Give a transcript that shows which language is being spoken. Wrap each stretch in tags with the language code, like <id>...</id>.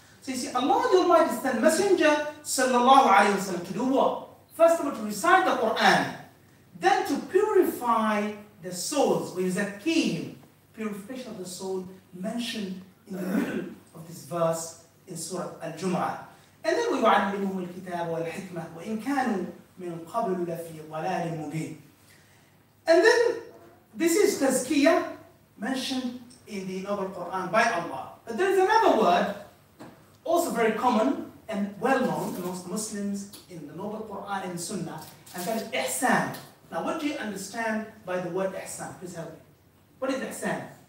<en>So you see, Allah the Almighty sent the messenger sallallahu alayhi wa sallam to do what? First of all, to recite the Quran, then to purify the souls, وَيُزَكِّيهِمْ, purification of the soul mentioned in the middle of this verse in Surah Al-Jum'ah. And then we</en> <ar>يعلمهم الكتاب والحكمة وإن كانوا من قبل لفي ضلال مبين.</ar> <en>And then this is tazkiyah mentioned in the Noble Quran by Allah. But there is another word, also very common and well known amongst Muslims in the Noble Quran and Sunnah, and that is ihsan. Now, what do you understand by the word ihsan? Please help me. What is ihsan?</en>